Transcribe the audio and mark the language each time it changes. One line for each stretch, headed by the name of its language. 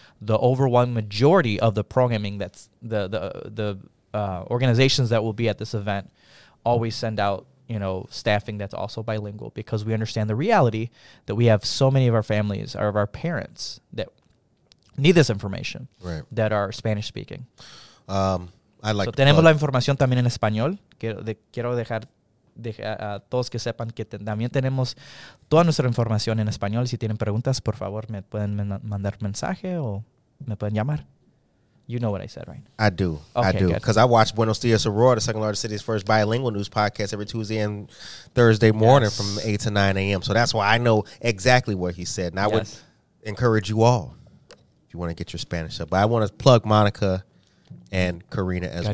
English: The overwhelming majority of the programming that's the organizations that will be at this event always send out, you know, staffing that's also bilingual, because we understand the reality that we have so many of our families or of our parents that need this information, right, that are Spanish speaking. I'd like
Spanish: so to tenemos plug. La información también en español. Quiero dejar a todos que sepan que también tenemos toda nuestra información en español. Si tienen preguntas, por favor, me pueden mandar mensaje o me pueden llamar.
English: You know what I said, right? I do. Okay, I do. Because I watch Buenos Dias Aurora, the second largest city's first bilingual news podcast, every Tuesday and Thursday morning, yes, from 8 to 9 a.m. So that's why I know exactly what he said. And I, yes, would encourage you all, if you want to get your Spanish up. But I want to plug Monica and Karina as